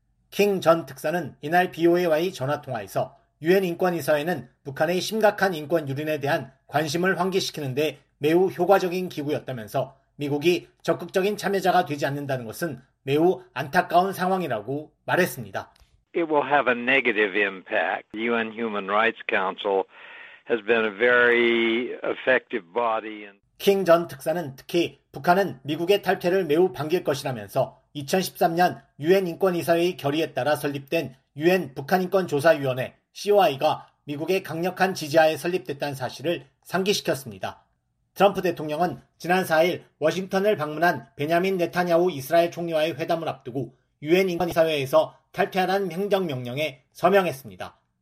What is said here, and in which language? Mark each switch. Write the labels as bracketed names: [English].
[Korean] 킹전 특사는 이날 BOA와의 전화통화에서 유엔 인권이사회는 북한의 심각한 인권 유린에 대한 관심을 환기시키는데 매우 효과적인 기구였다면서 미국이 적극적인 참여자가 되지 않는다는 것은 매우 안타까운 상황이라고 말했습니다. [English] It will have a negative impact. UN Human Rights Council has been a very effective body and [Korean] 킹전 특사는 특히 북한은 미국의 탈퇴를 매우 반길 것이라면서 2013년 유엔 인권이사회의 결의에 따라 설립된 유엔 북한인권조사위원회 COI가 미국의 강력한 지지하에 설립됐다는 사실을 상기시켰습니다. 트럼프 대통령은 지난 4일 워싱턴을 방문한 베냐민 네타냐후 이스라엘 총리와의 회담을 앞두고 유엔 인권이사회에서 탈퇴하라는 행정명령에 서명했습니다.